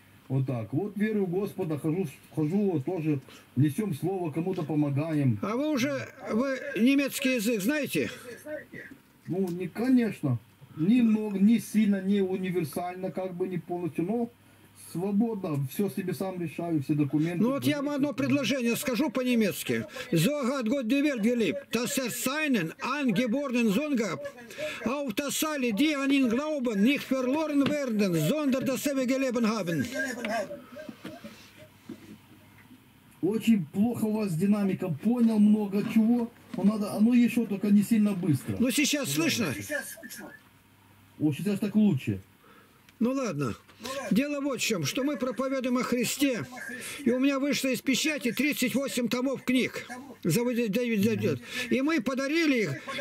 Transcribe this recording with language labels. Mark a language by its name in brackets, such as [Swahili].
[Russian] Вот так, вот верю в Господа, хожу тоже, несем слово, кому-то помогаем. А вы уже, вы немецкий язык знаете? Ну, не, конечно, ни много, ни сильно, ни универсально, как бы, ни полностью, но... Свободно, все себе сам решаю, все документы. Ну вот я вам одно предложение скажу по-немецки. [German] So hat Gott die Welt geliebt, dass seinen angeborenen Sohn gab, auf das Salle, die an ihn glauben, nicht verloren werden, sondern das ewige Leben haben. [Russian] Очень плохо у вас динамика, понял много чего. Оно еще только не сильно быстро. Ну сейчас слышно? Вот сейчас так лучше. Ну ладно. Дело вот в чем, что мы проповедуем о Христе, и у меня вышло из печати 38 томов книг, и мы подарили их